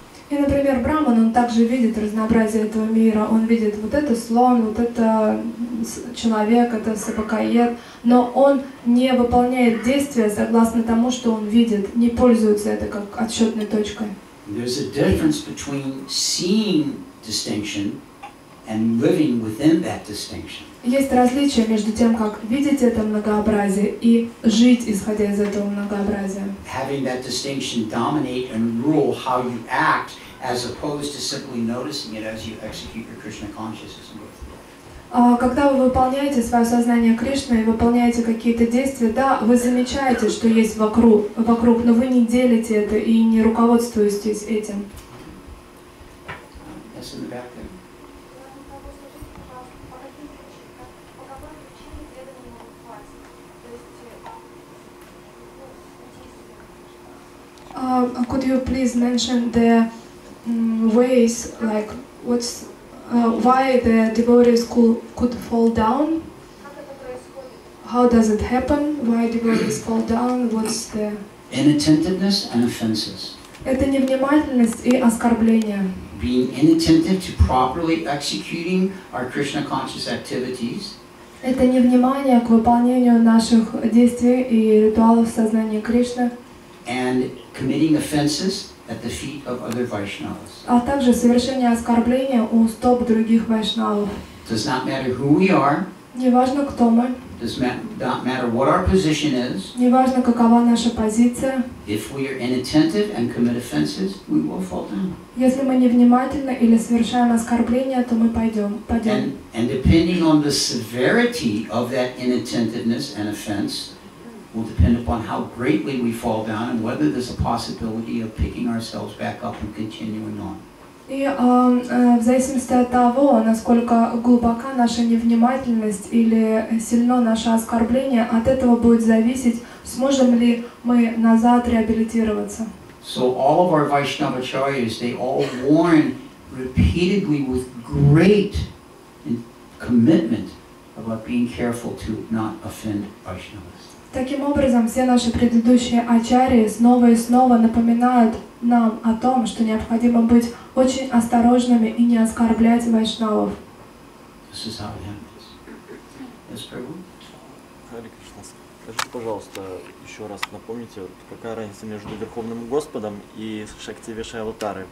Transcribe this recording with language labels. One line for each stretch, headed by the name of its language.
Russian: И, например, Браман, он также видит разнообразие этого мира. Он видит вот это слон, вот это человек, это собакоед. Но он не выполняет действия согласно тому, что он видит, не пользуется это как отсчетной точкой.
English: There's a difference between seeing distinction and living within that distinction.
Russian: Есть различие между тем, как видеть это многообразие и жить, исходя из этого многообразия.
English: Having that distinction dominate and rule how you act, as opposed to simply noticing it as you execute your Krishna consciousness and go through.
Russian: Когда вы выполняете свое сознание Кришны и выполняете какие-то действия, да, вы замечаете, что есть вокруг, но вы не делите это и не руководствуетесь этим.
English: Could you please mention the ways, like what's why the devotees could fall down? How does it happen? Why devotees fall down? What's the inattentiveness and offenses?
Russian: Это невнимательность и оскорбление.
English: Being inattentive to properly executing our Krishna conscious activities.
Russian: Это невнимание к выполнению наших действий и ритуалов сознания Кришны.
English: And committing offenses at the feet of other Vaishnavas.
Russian: А также совершение оскорблений у стоп других Вайшнавов.
English: Does not matter who we are.
Russian: Неважно, кто мы.
English: Does not matter what our position is.
Russian: Неважно, какова наша позиция.
English: If we are inattentive and commit offenses, we will fall down.
Russian: Если мы невнимательны или совершаем оскорбления, то мы падем.
English: And depending on the severity of that inattentiveness and offense, will depend upon how greatly we fall down and whether there's a possibility of picking ourselves back up and continuing on.
Russian: И в зависимости от того, насколько глубока наша невнимательность или сильно наше оскорбление, от этого будет зависеть, сможем ли мы назад реабилитироваться.
English: So all of our Vaishnavacharyas, they all warn repeatedly with great commitment about being careful to not offend Vaishnavas.
Russian: Таким образом, все наши предыдущие ачарьи снова и снова напоминают нам о том, что необходимо быть очень осторожными и не оскорблять вайшнавов. Хари Кришна, скажите, пожалуйста, еще раз напомните, какая разница между Верховным Господом и Шакти Веша Аватары?